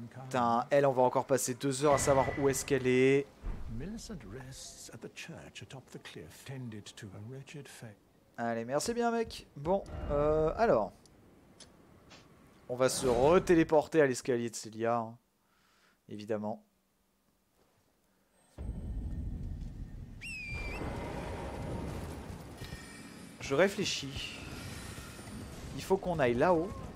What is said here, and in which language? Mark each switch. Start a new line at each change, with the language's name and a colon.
French: T'as un L, on va encore passer deux heures à savoir où est-ce qu'elle est.
English: Millicent rests at the church atop the cliff, tended to a wretched fate.
French: Allez, merci bien, mec. Bon, alors. On va se re-téléporter à l'escalier de Celia. Hein. Évidemment. Je réfléchis. Il faut qu'on aille là-haut.